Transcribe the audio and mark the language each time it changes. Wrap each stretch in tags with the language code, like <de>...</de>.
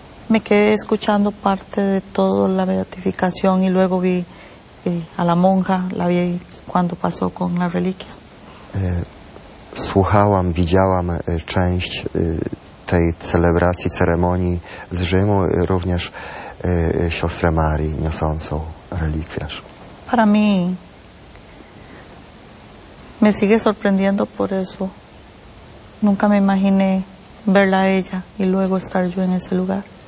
<es>Me quedé escuchando parte de toda la beatificación y luego vi a la monja, la vi cuando pasó con la reliquia.</es> <pl>Słuchałam, widziałam część tej celebracji, ceremonii z Rzymu, również siostrę Marii niosącą relikwiarz.</pl> <es>Para mí me sigue sorprendiendo por eso. Nunca me imaginé verla a ella y luego estar yo en ese lugar.</es>